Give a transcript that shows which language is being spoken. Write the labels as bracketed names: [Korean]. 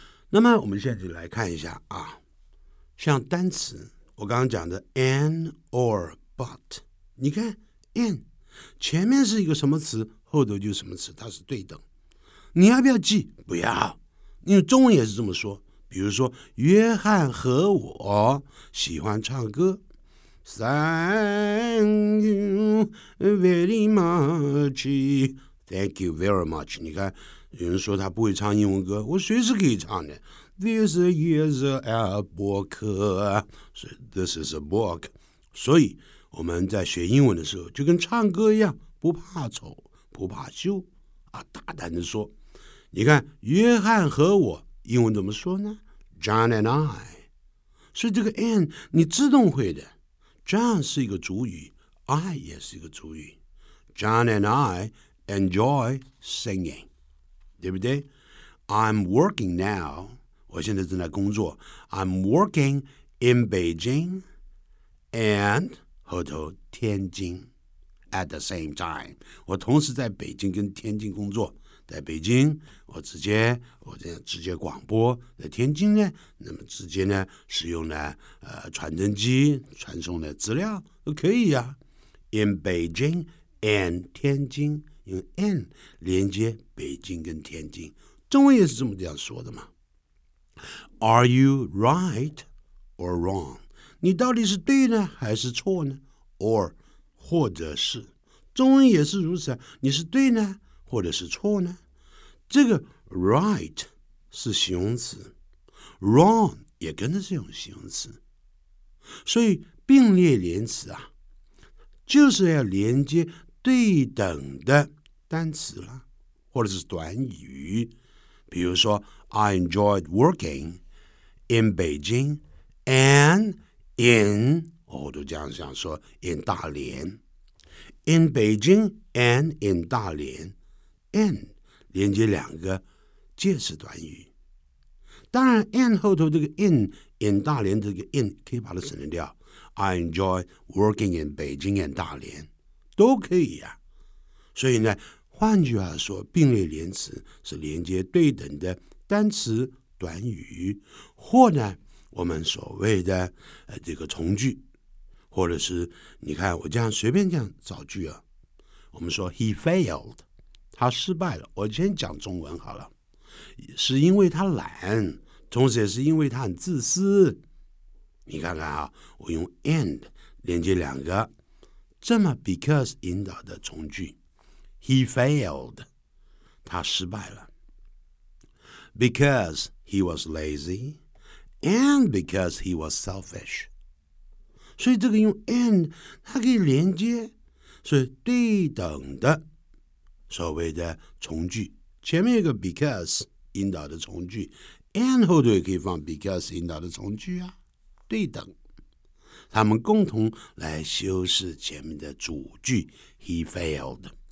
[Chinese] 那么我们现在就来看一下啊，像单词我刚刚讲的 and or but， 你看 and 前面是一个什么词，后头就是什么词，它是对等。你要不要记？不要，因为中文也是这么说。比如说约翰和我喜欢唱歌， [English] Thank you very muchThank you very much。 [Chinese] 你看有人说他不会唱英文歌，我随时可以唱的。 [English] This is a book， This is a book。 [Chinese] 所以我们在学英文的时候就跟唱歌一样，不怕丑不怕羞啊，大胆的说。你看约翰和我英文怎么说呢？ [English] John and I。 [Chinese] 所以这个 and 你自动会的， John 是一个主语， I 也是一个主语， [English] John and IEnjoy singing， [Chinese] 对不对？ [English] I'm working now， [Chinese] 我现在正在工作。 [English] I'm working in Beijing and [Chinese] 后头天津 [English] at the same time， [Chinese] 我同时在北京跟天津工作。在北京我这样直接广播，在天津呢，那么直接呢使用呢传真机传送的资料都可以啊。 [English] in Beijing and [Chinese] 天津，用 and 连接北京跟天津，中文也是这么这样说的嘛。 [English] Are you right or wrong？ [Chinese] 你到底是对呢还是错呢？or 或者是，中文也是如此，你是对呢或者是错呢？这个 right 是形容词， wrong 也跟着是用形容词。所以并列连词啊，就是要连接对等的单词啦，或者是短语。 [English] 比如说 I enjoyed working in Beijing and in， [Chinese] 我都这样想说 [English] in 大连， in Beijing and in 大连， and 连接两个介词短语。 [Chinese] 当然 and 后头这个 in 大连这个 in 可以把它省略掉， [English] I enjoyed working in Beijing and [Chinese] 大连都可以啊。所以呢，换句话说，并列连词是连接对等的单词短语，或呢我们所谓的这个从句，或者是你看我这样随便这样造句啊，我们说 [English] he failed， [Chinese] 他失败了。我先讲中文好了，是因为他懒，同时也是因为他很自私。你看看啊，我用 and 连接两个这么 because 引导的从句， [English] He failed， [Chinese] 他失败了。 [English] Because he was lazy and because he was selfish. [Chinese] 所以这个用 and 它可以连接，所以对等的所谓的从句，前面有个 because 引导的从句， and 后头也可以放 because 引导的从句啊，对等。他们共同来修饰前面的主句 [English] he failed。